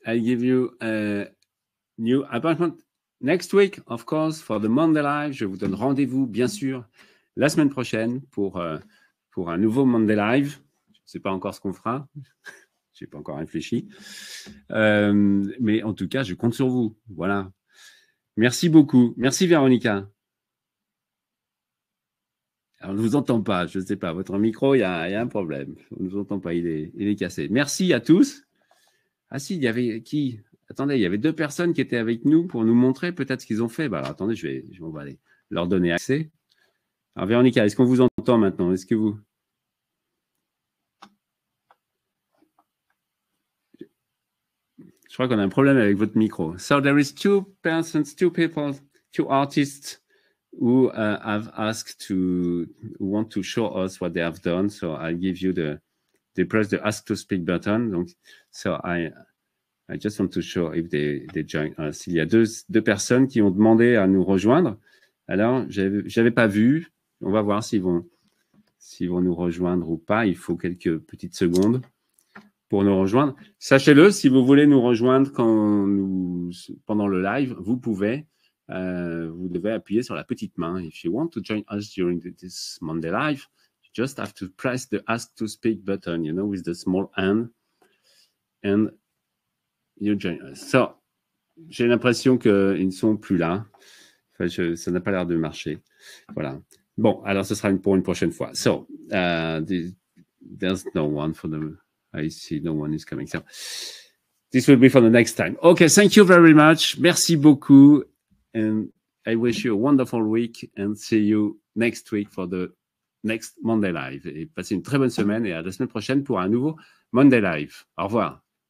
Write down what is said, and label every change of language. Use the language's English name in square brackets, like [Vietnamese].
[English] I'll give you a new appointment next week, of course, for the Monday Live. [French] Je vous donne rendez-vous, bien sûr, la semaine prochaine pour un nouveau Monday Live. Je ne sais pas encore ce qu'on fera. Je n'ai pas encore réfléchi. Mais en tout cas, je compte sur vous. Voilà. Merci beaucoup. Merci, Véronica. Alors, on ne vous entend pas. Je ne sais pas. Votre micro, il y a un problème. On ne vous entend pas. Il est cassé. Merci à tous. Ah si, il y avait qui? Attendez, il y avait deux personnes qui étaient avec nous pour nous montrer peut-être ce qu'ils ont fait. Bah, alors, attendez, je vais aller leur donner accès. Alors, Véronica, est-ce qu'on vous entend maintenant? Est-ce que vous... Je crois qu'on a un problème avec votre micro. [English] So there is two persons, two people, two artists who have asked to want to show us what they have done. So I'll give you they press the ask to speak button. Donc, so I just want to show if they join us. [French] Il y a deux personnes qui ont demandé à nous rejoindre. Alors, j'avais pas vu. On va voir s'ils vont nous rejoindre ou pas. Il faut quelques petites secondes. Pour nous rejoindre. Sachez-le, si vous voulez nous rejoindre pendant le live, vous pouvez, vous devez appuyer sur la petite main. [English] If you want to join us during this Monday live, you just have to press the ask to speak button, you know, with the small hand, and you join us. [French] So, j'ai l'impression qu'ils ne sont plus là. Enfin, ça n'a pas l'air de marcher. Voilà. Bon, alors ce sera pour une prochaine fois. [English] So, there's no one for the... I see no one is coming. So this will be for the next time. Okay, thank you very much. [French] Merci beaucoup. [English] And I wish you a wonderful week and see you next week for the [French] Next Monday Live. Et passez une très bonne semaine et à la semaine prochaine pour un nouveau Monday Live. Au revoir.